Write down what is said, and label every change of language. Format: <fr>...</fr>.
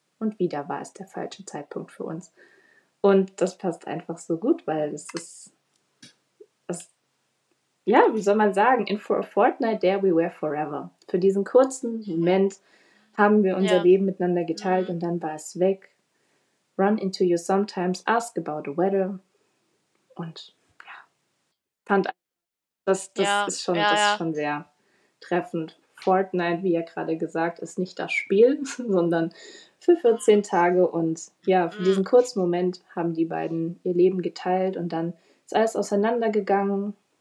<de>Und wieder war es der falsche Zeitpunkt für uns. Und das passt einfach so gut, weil es ist... Es, ja, wie soll man sagen? In For a Fortnight There We Were Forever. Für diesen kurzen Moment haben wir unser Leben miteinander geteilt und dann war es weg.</de> <en>Run into you sometimes, ask about the weather.</en> <de>Und ja, fand das ist schon sehr treffend. Fortnite, wie ja gerade gesagt, ist nicht das Spiel, sondern für 14 Tage. Und ja, für diesen kurzen Moment haben die beiden ihr Leben geteilt und dann ist alles auseinandergegangen.</de>